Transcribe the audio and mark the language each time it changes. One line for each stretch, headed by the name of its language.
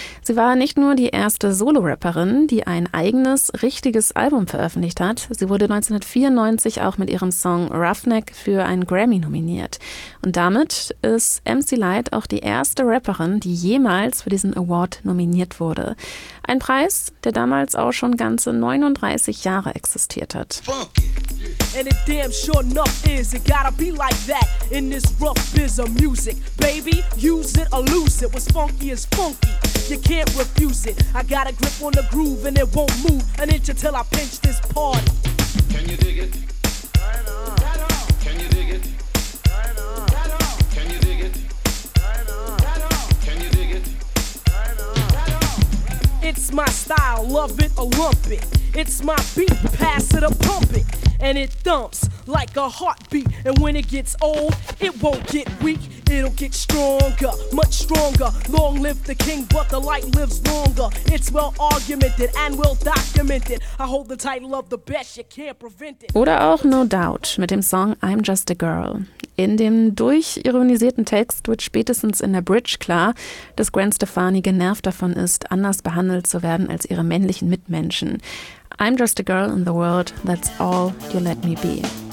German: Sie war nicht nur die erste Solo-Rapperin, die ein eigenes, richtiges Album veröffentlicht hat, sie wurde 1994 auch mit ihrem Song Roughneck für einen Grammy nominiert. Und damit ist MC Light auch die erste Rapperin, die jemals für diesen Award nominiert wurde. Ein Preis, der damals auch schon ganze 39 Jahre existiert hat.
English: And it damn sure enough is, it gotta be like that in this rough biz of music. Baby, use it or lose it, what's funky is funky, you can't refuse it. I got a grip on the groove and it won't move an inch until I pinch this part. Can you dig it? It's my style, love it or lump it. It's my beat, pass it or pump it. And it thumps like a heartbeat. And when it gets old, it won't get weak. It'll get stronger, much stronger. Long live the king, but the light lives longer. It's well argumented and well documented. I hold the title of the best, you can't prevent it.
German: Oder auch No Doubt mit dem Song I'm Just a Girl. In dem durchironisierten Text wird spätestens in der Bridge klar, dass Gwen Stefani genervt davon ist, anders behandelt zu werden als ihre männlichen Mitmenschen.
English: I'm just a girl in the world, that's all you let me be.